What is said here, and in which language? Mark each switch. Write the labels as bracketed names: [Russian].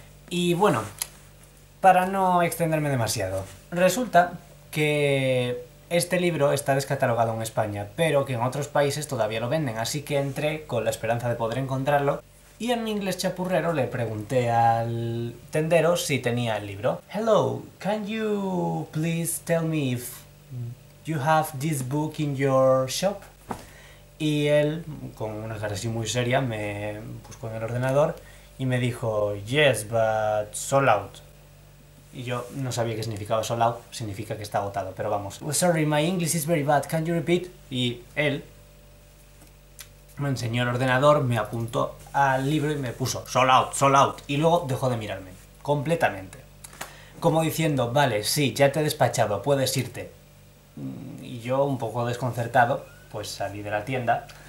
[Spanish] Y bueno, para no extenderme demasiado, resulta que este libro está descatalogado en España, pero que en otros países todavía lo venden, así que entré con la esperanza de poder encontrarlo y en mi inglés chapurrero le pregunté al tendero si tenía el libro. [English] Hello, can you please tell me if you have this book in your shop? [Spanish] Y él, con una cara así muy seria, me buscó en el ordenador y me dijo: [English] "Yes, but sold out". [Spanish] Y yo no sabía qué significaba sold out, significa que está agotado, pero vamos. [English] Well, sorry, my English is very bad, can you repeat? [Spanish] Y él me enseñó el ordenador, me apuntó al libro y me puso: [English] "Sold out, sold out". [Spanish] Y luego dejó de mirarme, completamente. Como diciendo: "Vale, sí, ya te he despachado, puedes irte". Y yo, un poco desconcertado, pues salí de la tienda.